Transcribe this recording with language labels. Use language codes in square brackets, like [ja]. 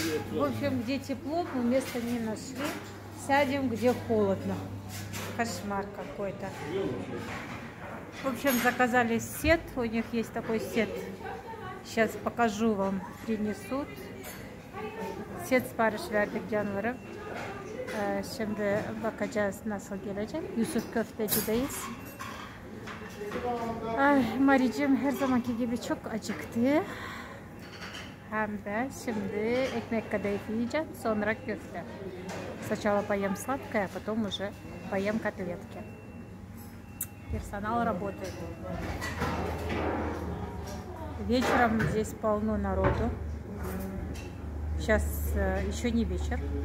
[ru] В общем, где тепло, мы места не нашли. Сядем, где холодно. Кошмар какой-то. В общем, заказали сет. У них есть такой сет. Сейчас покажу вам. Принесут. Сет с парыш вердик январы. [tr] Şimdi bakacağız nasıl gelecek. Yusuf Köfteci'deyiz. Ay, Maricim her zamanki gibi çok acıktı. Hem de şimdi ekmek kadayıf yiyeceğim, sonra köfte. [ru] Сначала поем сладкое, а потом уже поем котлетки. Персонал работает. Вечером здесь полно народу. Сейчас еще не вечер.